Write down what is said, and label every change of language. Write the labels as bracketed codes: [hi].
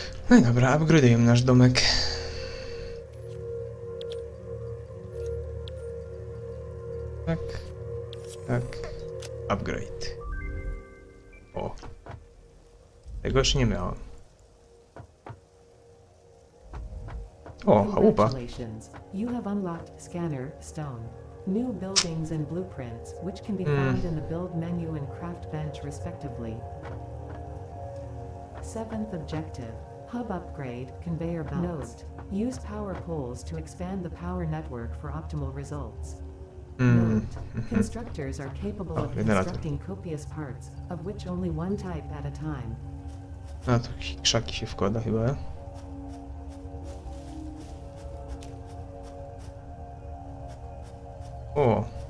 [pl] No i dobra, upgrade'ujemy nasz domek. Tak. Tak. Upgrade. O. Tego jeszcze nie miałem. O, chałupa. Congratulations. [en] You have unlocked scanner stone. New buildings and blueprints, which can be found in the build menu and craft bench respectively. 7th objective, hub upgrade, conveyor belt. Note, use power poles to expand the power network for optimal results. Note, constructors are capable of constructing copious parts, of which only one type at a time. [pl] A, to krzaki się wkłada chyba, ja? O!